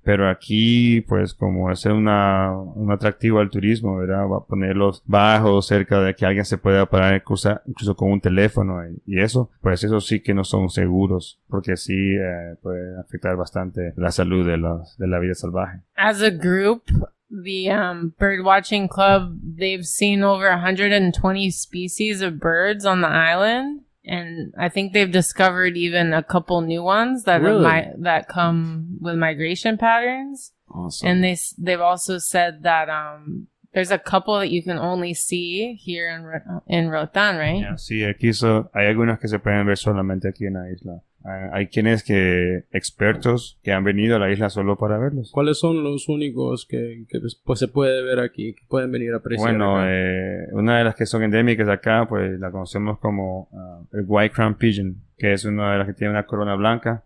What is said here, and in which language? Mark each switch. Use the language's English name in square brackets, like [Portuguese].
[Spanish] Pero aquí, pues como es un atractivo al turismo, ¿verdad? Va a ponerlos bajos, cerca de que alguien se pueda parar, incluso con un teléfono y eso. Pues eso sí que no son seguros, porque sí puede afectar bastante la salud de la vida salvaje. [English] As a group, the birdwatching club, they've seen over 120 species of birds on the island. And I think they've discovered even a couple new ones that that come with migration patterns. Awesome. And they've also said that there's a couple that you can only see here in Roatán, right? [Spanish] Yeah, sí, aquí hay algunas que se pueden ver solamente aquí en la isla. Hay quienes que expertos que han venido a la isla solo para verlos. ¿Cuáles son los únicos que pues, se puede ver aquí, que pueden venir a apreciar? Bueno, una de las que son endémicas acá, pues la conocemos como el White Crown Pigeon, que es una de las que tiene una corona blanca.